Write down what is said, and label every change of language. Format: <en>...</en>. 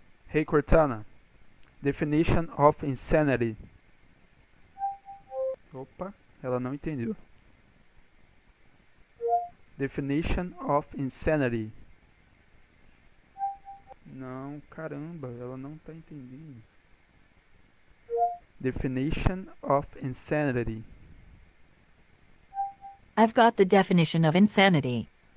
<en>Hey Cortana, definition of insanity.</en> <pt>Opa, ela não entendeu.</pt> <en>Definition of insanity.</en> <pt>Não, caramba, ela não tá entendendo.</pt> <en>Definition of insanity. I've got the definition of insanity.</en>